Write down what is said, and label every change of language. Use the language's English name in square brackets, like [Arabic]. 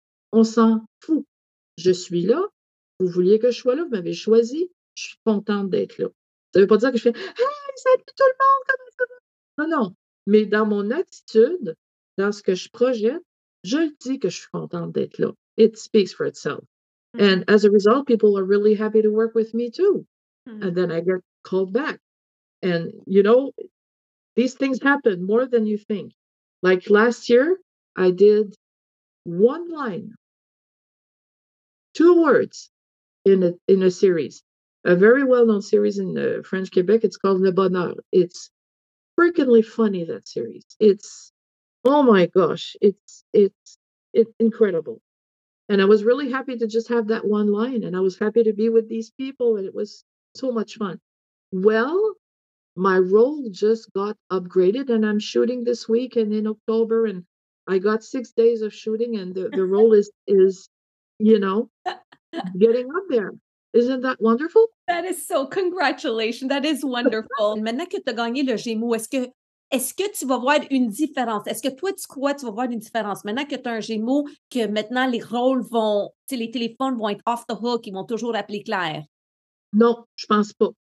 [French] On s'en fout. Je suis là. Vous vouliez que je sois là. Vous m'avez choisi. Je suis contente d'être là. Ça ne veut pas dire que je fais hey, salut tout le monde. Comment ça va? Non, non. Mais dans mon attitude, dans ce que je projette, je le dis que je suis contente d'être là. [English] It speaks for itself. Mm-hmm. And as a result, people are really happy to work with me too. Mm-hmm. And then I get called back. And you know, these things happen more than you think. Like last year, I did one line, two words in a series, a very well-known series in French Quebec. It's called Le Bonheur. It's freakingly funny, that series. It's, oh my gosh, it's incredible. And I was really happy to just have that one line, and I was happy to be with these people, and it was so much fun. Well, my role just got upgraded, and I'm shooting this week and in October, and I got 6 days of shooting, and the role is, you know, getting up there. Isn't that wonderful? That is so. Congratulations. That is wonderful. [French] Maintenant que tu as gagné le Gémeaux, est-ce que tu vas voir une différence? Est-ce que toi, tu crois que tu vas voir une différence? Maintenant que tu as un Gémeaux, que maintenant les rôles vont, tu sais, les téléphones vont être [English] off the hook, [French] ils vont toujours appeler Claire. Non, je pense pas.